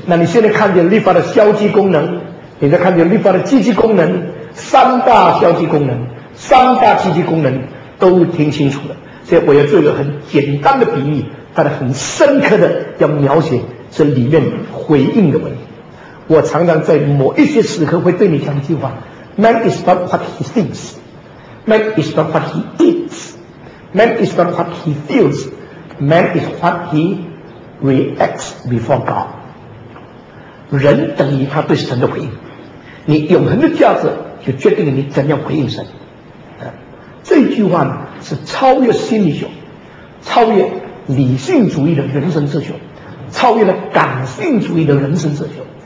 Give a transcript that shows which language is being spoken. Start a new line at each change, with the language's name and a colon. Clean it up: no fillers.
Chinese: 那你现在看见律法的消极功能，你再看见律法的积极功能，三大消极功能三大积极功能都听清楚了。所以我要做一个很简单的比喻，但是很深刻的要描写这里面回应的问题。我常常在某一些时刻会对你讲一句话，
English: Man is not what he thinks， Man is not what he eats， Man is not what he feels， Man is what he reacts before God。
Chinese: 人等于他对神的回应，你永恒的价值就决定了你怎样回应神。这句话是超越心理学，超越理性主义的人生哲学，超越了感性主义的人生哲学。